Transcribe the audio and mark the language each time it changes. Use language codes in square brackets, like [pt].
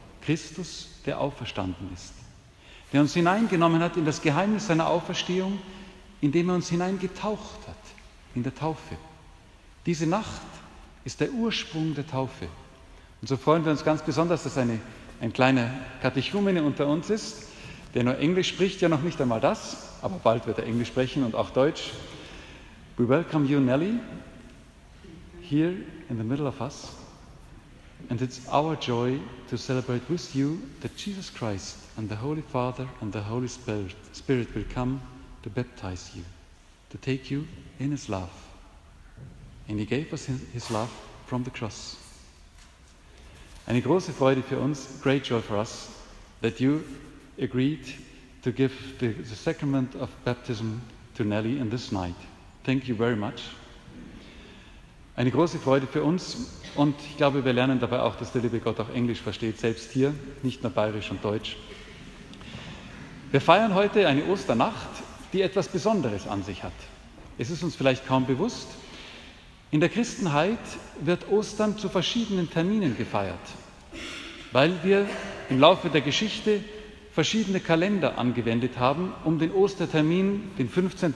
[de] Christus, der auferstanden ist, der uns hineingenommen hat in das Geheimnis seiner Auferstehung, indem er uns hineingetaucht hat in der Taufe. Diese Nacht ist der Ursprung der Taufe. Und so freuen wir uns ganz besonders, dass ein kleiner Katechumene unter uns ist, der nur Englisch spricht, ja noch nicht einmal das, aber bald wird er Englisch sprechen und auch Deutsch. [en] We welcome you, Nelly, here in the middle of us. And it's our joy to celebrate with you that Jesus Christ and the Holy Father and the Holy Spirit will come to baptize you, to take you in his love. And he gave us his love from the cross. [de] Eine große Freude für uns, [en] great joy for us, that you agreed to give the sacrament of baptism to Nelly in this night. Thank you very much. [de] Eine große Freude für uns und ich glaube, wir lernen dabei auch, dass der liebe Gott auch Englisch versteht, selbst hier, nicht nur Bayerisch und Deutsch. Wir feiern heute eine Osternacht, die etwas Besonderes an sich hat. Es ist uns vielleicht kaum bewusst. In der Christenheit wird Ostern zu verschiedenen Terminen gefeiert, weil wir im Laufe der Geschichte verschiedene Kalender angewendet haben, um den Ostertermin, den 15.